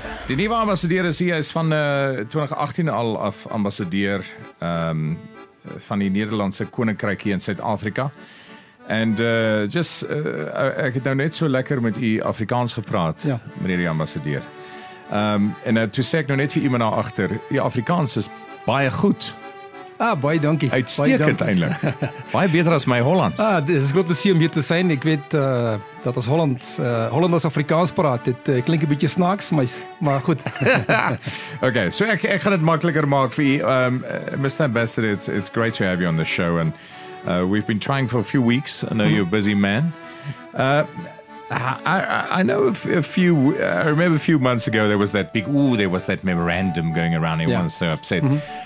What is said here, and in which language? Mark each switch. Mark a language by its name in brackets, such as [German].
[Afrikaans] Die nuwe ambassadeur is hier, hy is van 2018 al af ambassadeur van die Nederlandse Koninkryk hier in Suid-Afrika. And ek het nou net so lekker met u Afrikaans gepraat, ja. Meneer die ambassadeur. Toe sê ek nou net vir iemand daar agter, die Afrikaans is baie goed. Ah, baie dankie. Uitstekend eindelijk. Baie beter as my Hollands. [Dutch] Ah, dit is groot plezier om hier te zijn. Ik weet dat as Holland as Afrikaans praat, dit klink een beetje snaaks, maar goed. [Afrikaans] Okay, so ek gaan het makkelijker maak vir jy. Mr. [English] Ambassador, it's great to have you on the show. And we've been trying for a few weeks. I know you're a busy man. I know I remember a few months ago there was that memorandum going around. Everyone's so upset. Mm-hmm.